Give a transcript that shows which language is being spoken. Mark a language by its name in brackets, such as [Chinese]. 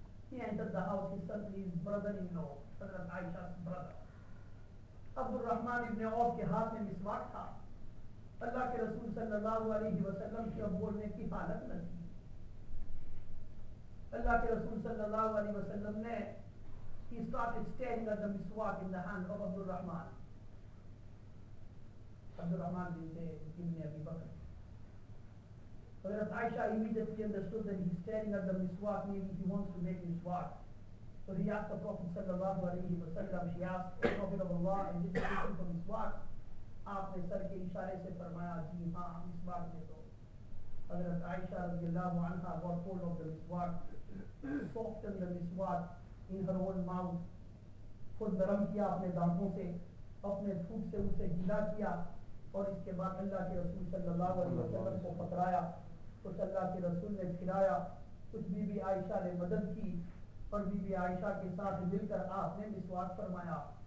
[English] he entered the house his son his brother in law [Urdu] حضرت عائشہ کے برادر عبد الرحمن ابن عوف کے ہاتھ میں مسواک تھا اللہ کے رسول صلی اللہ علیہ وسلم کی اب بولنے کی حالت نہ تھی اللہ کے رسول صلی اللہ علیہ وسلم نے [English] he started standing at the miswak in the hand of [Urdu] عبد الرحمن [Arabic] عبد الرحمن بن زيد ابن ابي بكر. فقالت عائشة [English] immediately understood that he's staring at the miswak, maybe he wants to make miswak. So he asked the Prophet [Arabic] صلى الله عليه وسلم, [English] she asked the Prophet of Allah, and this is for miswak. [Urdu] آپ نے سر کے اشارے سے فرمایا جی ہاں مسواک دے دو. حضرت عائشہ رضی اللہ عنہ [English] got hold of the miswak, softened the miswak in her own mouth, [Urdu] خود نرم کیا اپنے دانتوں سے, اپنے تھوک سے اسے گیلا کیا, اور اس کے بعد اللہ کے رسول صلی اللہ علیہ وسلم کو پکڑایا, کچھ اللہ کے رسول نے کھلایا, کچھ بی بی عائشہ نے مدد کی, اور بی بی عائشہ کے ساتھ مل کر آپ نے مسواک فرمایا.